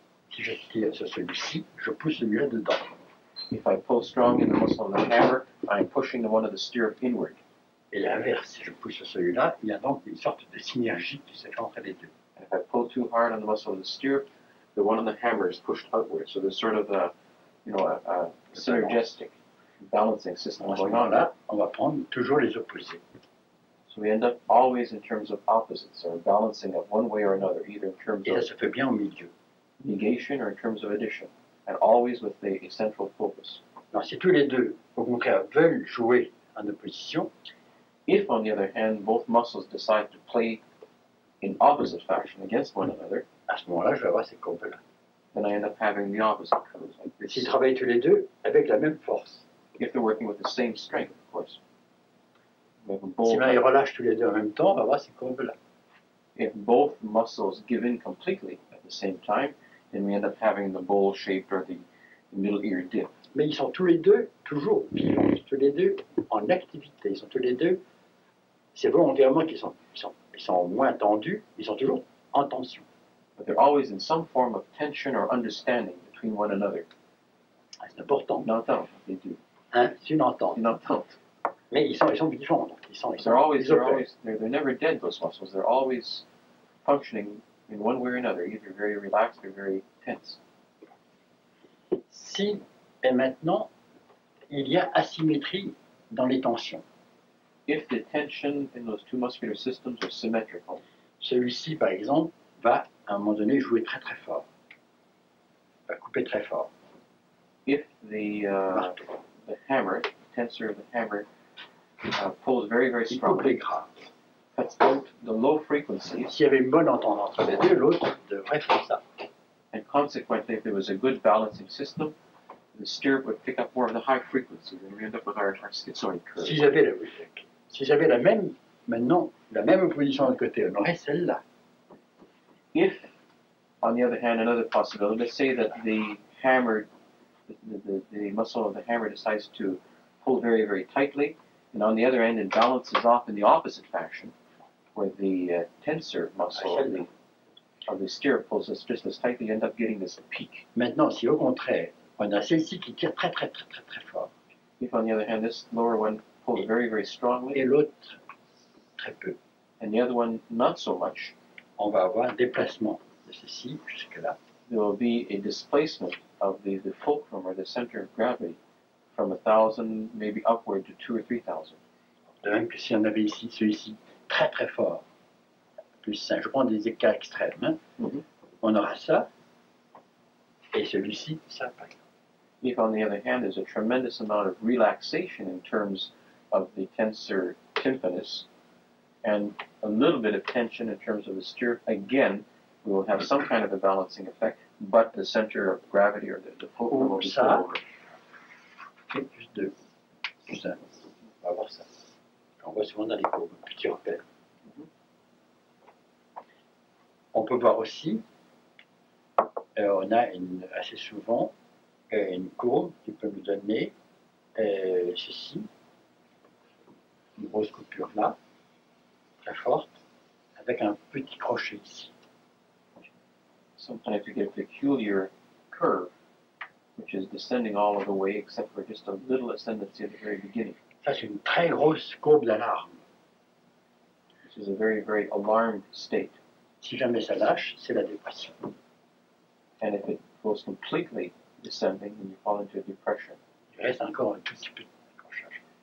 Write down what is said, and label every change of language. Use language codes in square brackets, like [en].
[fr] Si je tire sur celui-ci, je pousse celui-là dedans. [en] If I pull strong in the muscle of the hammer, I'm pushing the one of the stirrup inward. [fr] Et l'inverse, si je pousse sur celui-là, il y a donc une sorte de synergie qui se fait entre les deux. [en] And if I pull too hard on the muscle of the stirrup, the one on the hammer is pushed outward. So there's sort of a, you know, a synergistic balancing system going on. [fr] Là, on va prendre toujours les opposés. [en] So we end up always in terms of opposites, or balancing of one way or another, either in terms [fr] et là, [en] of [fr] ça fait bien au milieu. [en] Negation or in terms of addition, and always with the central focus. [fr] Alors, si tous les deux, au contraire, veulent jouer en opposition, [en] if on the other hand both muscles decide to play in opposite fashion against one another, [fr] à ce moment-là, je vais avoir ces courbes-là. [en] Then I end up having the opposite curves. [fr] Et s'ils travaillent tous les deux avec la même force, [en] if they're working with the same strength, of course. [fr] Si l'un ils relâchent tous les deux en même temps, on va avoir ces courbes-là. [en] If both muscles give in completely at the same time, then we end up having the bowl shaped or the middle ear dip. [fr] Mais ils sont tous les deux toujours vivants, tous les deux en activité. Ils sont tous les deux, c'est volontairement qu'ils sont, ils sont moins tendus, ils sont toujours en tension. [en] But they're always in some form of tension or understanding between one another. [fr] Ah, c'est important. Une entente, les deux. Hein? C'est une entente. Une entente. Mais ils sont vivants, donc [en] they're never dead, those muscles. They're always functioning in one way or another, either very relaxed or very tense. [fr] Si, et maintenant, il y a asymétrie dans les tensions. [en] If the tension in those two muscular systems are symmetrical, [fr] celui-ci, par exemple, va, à un moment donné, jouer très très fort. Va couper très fort. [en] If the, the hammer, the tensor of the hammer, pulls very very strongly, cuts out the low frequency. [fr] S'il y avait une bonne entente entre les deux, l'autre devrait faire ça. [en] And consequently, if there was a good balancing system, the stirrup would pick up more of the high frequencies, and we end up with our schizoid curve. [fr] Si j'avais la même, maintenant, la même position de côté, on aurait celle-là. [en] If, on the other hand, another possibility, let's say that the hammer, the muscle of the hammer decides to pull very very tightly, and on the other end, it balances off in the opposite fashion, where the tensor muscle of the stirrup pulls us just as tightly, end up getting this peak. [fr] Maintenant, si au contraire, on a celle-ci qui tire très très très très très fort. [en] If on the other hand, this lower one pulls very very strongly. [fr] Et l'autre, très peu. [en] And the other one, not so much. [fr] On va avoir un déplacement de ceci jusque-là. [en] There will be a displacement of the fulcrum, or the center of gravity, from 1,000, maybe upward to 2 or 3,000. [fr] De même que si on avait ici, celui-ci, très très fort, plus 5, je prends des écarts extrêmes, hein. Mm-hmm. On aura ça, et celui-ci, ça, par exemple. [en] If, on the other hand, there's a tremendous amount of relaxation in terms of the tensor tympanus, and a little bit of tension in terms of the stirrup, again, we will have some kind of a balancing effect, but the center of gravity, or the fulcrum, [fr] or ça. Plus 1. On va voir ça. On voit souvent dans les courbes, petit repère. On peut voir aussi, on a assez souvent une courbe, tu peux me donner ceci, une grosse coupure là, très forte, avec un petit crochet ici. [en] Sometimes you get a peculiar curve, which is descending all of the way except for just a little ascendancy at the very beginning. [fr] Ça, c'est une très grosse courbe d'alarme. [en] This is a very, very alarmed state. [fr] Si jamais ça lâche, c'est la dépression. [en] And if it goes completely descending, then you fall into a depression. [fr] Il reste encore un tout petit peu de décrochage.